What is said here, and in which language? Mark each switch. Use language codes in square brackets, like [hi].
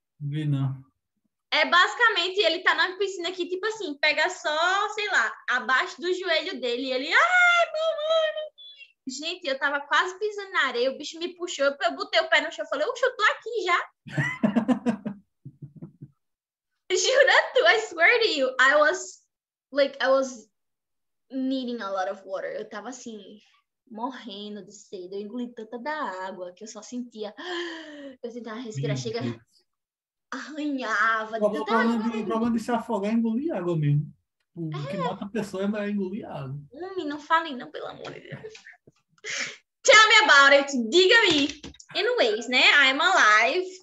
[pt] Vi, não. É basicamente, ele tá na piscina que, tipo assim, pega só, sei lá, abaixo do joelho dele. E ele, ai, mamãe! Gente, eu tava quase pisando na areia, o bicho me puxou, eu botei o pé no chão, falei, oxe, eu tô aqui já. Jura tu, [en] I swear to you, I was... needing a lot of water. [pt] Eu tava assim, morrendo de sede. Eu engoli tanta da água que eu só sentia. Eu tentava respirar, chega. Arranhava. O problema de se afogar é engolir água mesmo. O que mata a pessoa é engolir água. Não fale, não, pelo amor de Deus. [en] Tell me about it. [pt] Diga-me. [en] Anyways, [pt] né? [en] I'm alive.